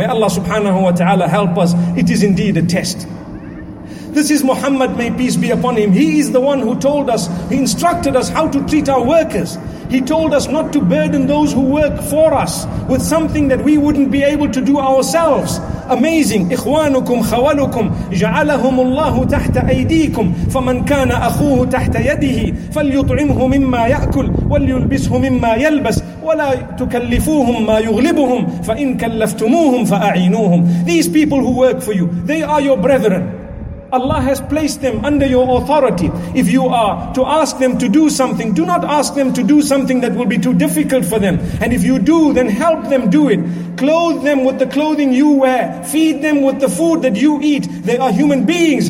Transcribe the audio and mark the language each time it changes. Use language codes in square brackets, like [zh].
[en] May Allah subhanahu wa ta'ala help us. It is indeed a test. This is Muhammad, may peace be upon him. He is the one who told us, he instructed us how to treat our workers. He told us not to burden those who work for us with something that we wouldn't be able to do ourselves. Amazing. [ar] إخوانكم خوالكم جعلهم الله تحت أيديكم فمن كان أخوه تحت يده فليطعمه مما يأكل وليلبسه مما يلبس ولا تكلفوهم ما يغلبهم فإن كلفتموهم فأعينوهم. [en] These people who work for you, they are your brethren. Allah has placed them under your authority. If you are to ask them to do something, do not ask them to do something that will be too difficult for them. And if you do, then help them do it. Clothe them with the clothing you wear. Feed them with the food that you eat. They are human beings.